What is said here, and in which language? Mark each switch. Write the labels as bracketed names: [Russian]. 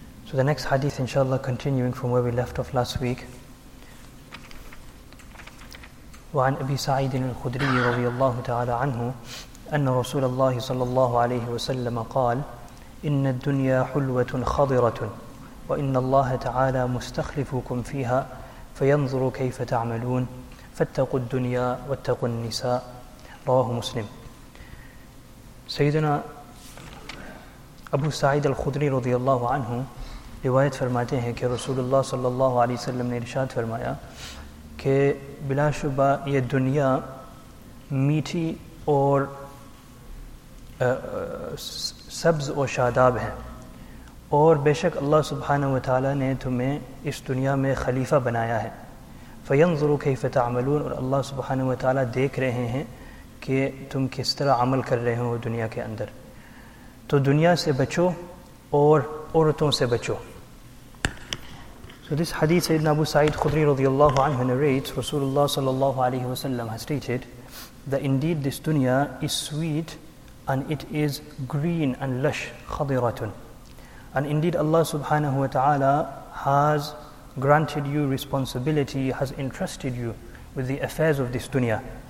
[English] So the next hadith, inshallah, continuing from where we left off last week. [Arabic] وعن أبي سعيد الخدري رضي الله تعالى عنه أن رسول الله صلى الله عليه وسلم قال إن الدنيا حلوة خضرة وإن الله تعالى مستخلفكم فيها فينظر كيف تعملون فاتقوا الدنيا واتقوا النساء رواه مسلم. [Urdu] سيدنا أبو سعيد الخدري رضي الله عنه روایت فرماتے ہیں کہ رسول اللہ صلی اللہ علیہ وسلم نے ارشاد فرمایا کہ بلا شبہ یہ دنیا میٹھی اور سبز و شاداب ہے اور بے شک اللہ سبحانہ و تعالی نے تمہیں اس دنیا میں خلیفہ بنایا ہے. [Arabic] فَيَنظُرُ كَيْفَ تَعْمَلُونَ [Urdu] اور اللہ سبحانہ و تعالی دیکھ رہے ہیں کہ تم کس طرح عمل کر رہے ہو دنیا کے اندر. تو دنیا سے بچو اور عورتوں سے بچو. [English] So this hadith Sayyidina Abu Sa'id Khudri radiallahu anhu narrates Rasulullah sallallahu alayhi wa sallam has stated that indeed this dunya is sweet and it is green and lush, khadiratun. And indeed Allah subhanahu wa ta'ala has granted you responsibility, has entrusted you with the affairs of this dunya.